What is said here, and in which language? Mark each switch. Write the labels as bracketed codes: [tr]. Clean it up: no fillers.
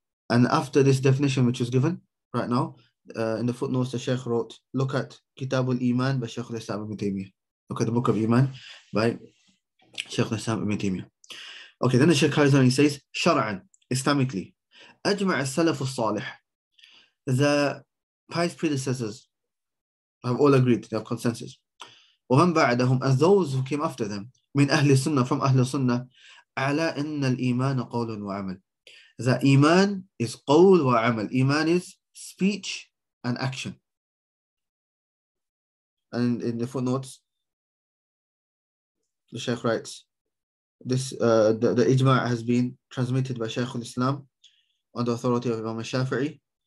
[en] And after this definition, which is given right now, in the footnotes, the Sheikh wrote, look at Kitab al-Iman by Sheikh al-Islam ibn Taymiyyah. Look at the Book of Iman by Sheikh al-Islam ibn Taymiyyah. Okay, then the Sheikh carries on, he says, Shara'an. Islamically, [ar] أجمع السلف الصالح, [en] the pious predecessors have all agreed, they have consensus. [ar] ومن بعدهم, [en] as those who came after them, [ar] من أهل السنة, from أهل السنة, على أن الإيمان قول وعمل, that إيمان is قول وعمل. [en] إيمان is speech and action. And in the footnotes, the Sheikh writes, this the ijma' has been transmitted by Shaykh al-Islam on the authority of Imam al-Shafi'i.